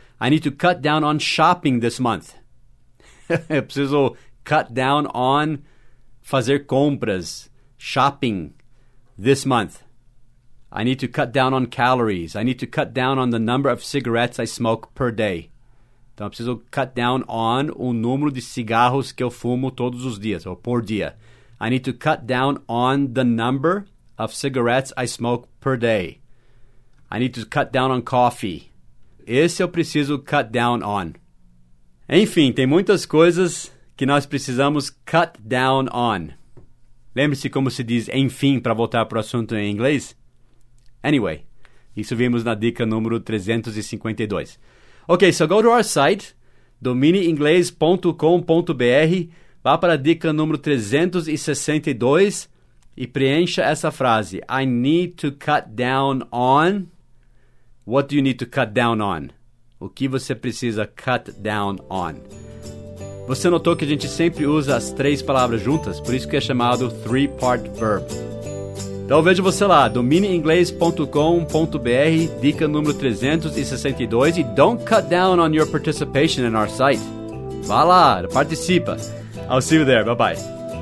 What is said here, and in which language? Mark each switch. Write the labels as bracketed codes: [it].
[en] I need to cut down on shopping this month. [pt] Eu preciso [en] cut down on [pt] fazer compras, [en] shopping, this month. I need to cut down on calories. I need to cut down on the number of cigarettes I smoke per day. [pt] Então, eu preciso cut down on o número de cigarros que eu fumo todos os dias, ou por dia. [en] I need to cut down on the number of cigarettes I smoke per day. I need to cut down on coffee. [pt] Esse eu preciso cut down on. Enfim, tem muitas coisas que nós precisamos cut down on. Lembre-se como se diz enfim para voltar para o assunto em inglês. Anyway, isso vimos na dica número 352. [en] Okay, so go to our site, [pt] domineinglês.com.br, vá para a dica número 362 e preencha essa frase. [en] I need to cut down on... What do you need to cut down on? [pt] O que você precisa cut down on? Você notou que a gente sempre usa as três palavras juntas? Por isso que é chamado three-part verb. Então vejo você lá, domineinglês.com.br, dica número 362, e [en] don't cut down on your participation in our site. [pt] Vá lá, participa. [en] I'll see you there, bye-bye.